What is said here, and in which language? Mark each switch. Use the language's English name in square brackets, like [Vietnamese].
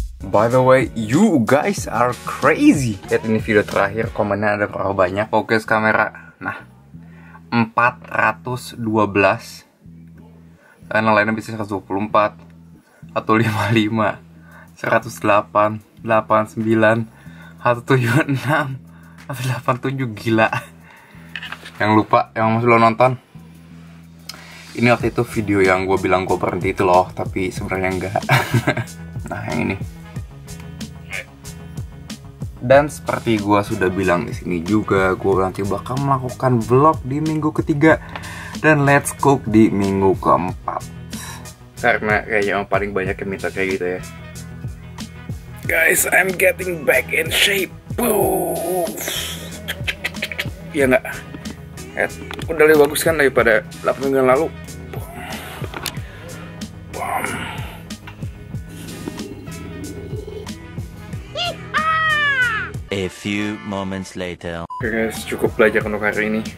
[English] By the way, you guys are crazy. [Indonesian] Lihat ini video terakhir, komennya ada berapa banyak. Fokus kamera. Nah, 412. Dan yang lainnya bisa 124 atau 55, 108, 89, 176, 187, gila. Yang lupa, yang masih belum nonton, ini waktu itu video yang gue bilang gue berhenti itu loh, tapi sebenarnya enggak. Nah, yang ini. Dan seperti gue sudah bilang di sini juga, gue nanti bakal melakukan vlog di minggu ketiga dan let's cook di minggu keempat. Karena kayaknya yang paling banyak yang minta kayak gitu ya. [English] Guys, I'm getting back in shape. [Indonesian] Boom. Ya enggak. Udah lebih bagus kan daripada 8 minggu lalu. Boom. [English] A few moments later. [Indonesian] Guys, cukup belajar untuk hari ini.